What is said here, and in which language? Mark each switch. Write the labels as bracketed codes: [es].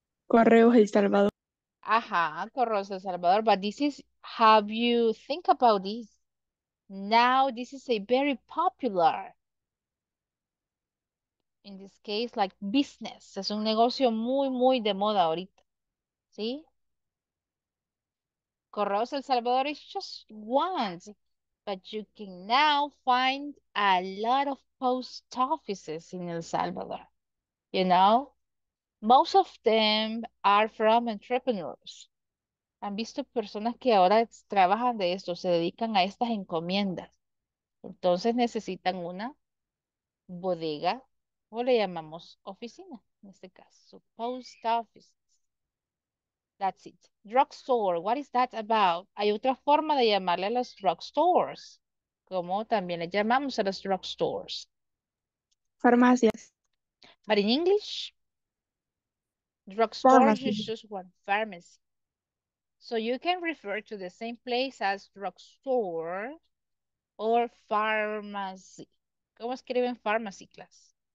[es] Correos El Salvador. Ajá, Correos El Salvador. [en] But this is, have you think about this? Now this is a very popular, in this case, like business. [es] Es un negocio muy, muy de moda ahorita. ¿Sí? [en] Correos El Salvador is just one, but you can now find a lot of post offices in El Salvador. You know, most of them are from entrepreneurs. [es] Han visto personas que ahora trabajan de esto, se dedican a estas encomiendas. Entonces necesitan una bodega, o le llamamos oficina, en este caso, post office. [en] That's it. [es] Drugstore. [en] What is that about? [es] Hay otra forma de llamarle a las drugstores. Como también le llamamos a las drugstores. Farmacias. [en] But in English, drugstore is just one, pharmacy. So you can refer to the same place as drugstore or pharmacy. [es] ¿Cómo escriben pharmacy, class?